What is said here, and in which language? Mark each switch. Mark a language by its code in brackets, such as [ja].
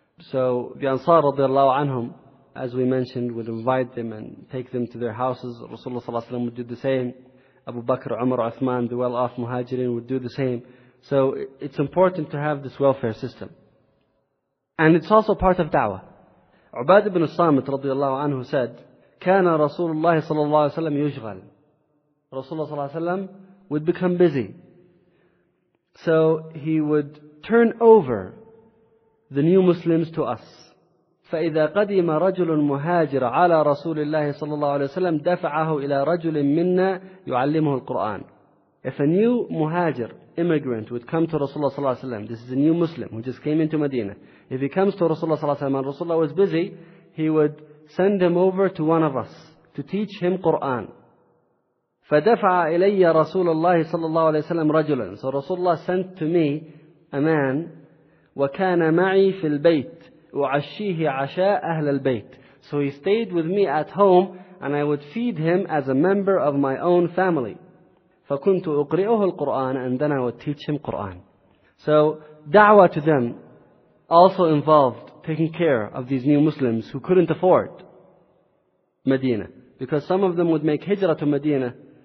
[en] So the Ansar radiallahu anhum, as we mentioned, would invite them and take them to their houses. Rasulullah ﷺ would do the same. Abu Bakr, Umar, Uthman, the well-off muhajirin would do the same. So it's important to have this welfare system. And it's also part of da'wah. [ar] Ubad ibn Samit radiallahu anhu said, كان رسول الله صلى الله عليه وسلم يشغل. [en] Rasulullah ﷺ would become busy. So he would turn over the new Muslims to us. [ar] فَإِذَا قَدِيمَ رَجُلٌ مُهَاجِرَ عَلَى رَسُولِ اللَّهِ صَلَى اللَّهُ عَلَيْهِ وَسَلَّمْ دَفَعَهُ إِلَى رَجُلٍ مِّنَّا يُعَلِّمُهُ الْقُرْآنِ. [en] If a new muhajir, immigrant, would come to Rasulullah صلى الله عليه وسلم, this is a new Muslim who just came into Medina. If he comes to Rasulullah صلى الله عليه وسلم and Rasulullah was busy, he would send him over to one of us to teach him Qur'an. [ar] فَدَفَعَ إِلَيَّ رَسُولَ اللَّهِ صَلَى اللَّهُ عَلَيْهِ وَسَلَّمْ رَجُلًا. [en] So Rasulullah sent to me a man, [ar] وَكَانَ مَعِي فِي الْبَيْتِ وَعَشِّيهِ عَشَاءَ أَهْلَ الْبَيْتِ. [en] So he stayed with me at home, and I would feed him as a member of my own family. [ar] فَكُنْتُ أُقْرِئُهُ الْقُرْآنَ, [en] and then I would teach him Qur'an. So da'wah to them also involved taking care of these new Muslims who couldn't afford Medina. Because some of them would make hijrah to Medina